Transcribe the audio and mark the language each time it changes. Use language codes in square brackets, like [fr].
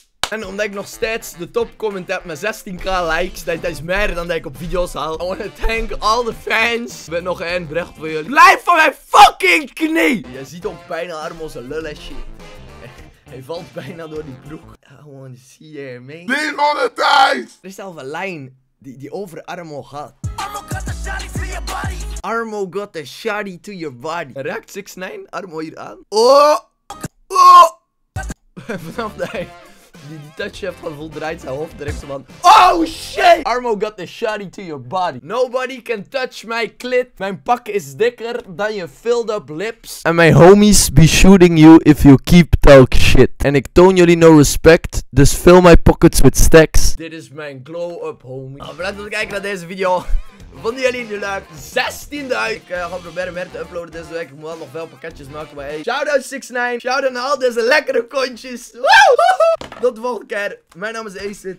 [nl] En omdat ik nog steeds de top comment heb met 16.000 likes, dat is meer dan dat ik op video's haal. [en] I wanna thank all the fans. [nl] Ik ben nog één bericht voor jullie. Blijf van mijn fucking knie! Je ziet ook bijna Armo's lul en shit. Hij valt bijna door die broek. [en] I want to see you, man. Demonetized! [nl] Er is zelf een lijn die over Armo gaat. [en] Armo got the shawty to your body. Armo got the shawty to your body. [nl] Raakt 6ix9ine Armo hier aan? Oh! Oh! Vanaf dat hij die touch heeft gevoeld, draait zijn hoofd direct van. [en] Oh shit! Armo got the shawty to your body. Nobody can touch my clit. [nl] Mijn pak is dikker dan je [en] filled up lips. And my homies be shooting you if you keep talk shit. [nl] En ik toon jullie [en] no respect, dus fill my pockets with stacks. [nl] Dit is mijn [en] glow up, homie. [nl] Nou, bedankt voor het kijken naar deze video. Vonden jullie het leuk? 16.000! Ik ga proberen meer te uploaden deze week. Ik moet wel nog veel pakketjes maken, maar hey. Shoutout 6ix9ine! Shoutout naar al deze lekkere kontjes! Woehoe! Tot de volgende keer. Mijn naam is Ace.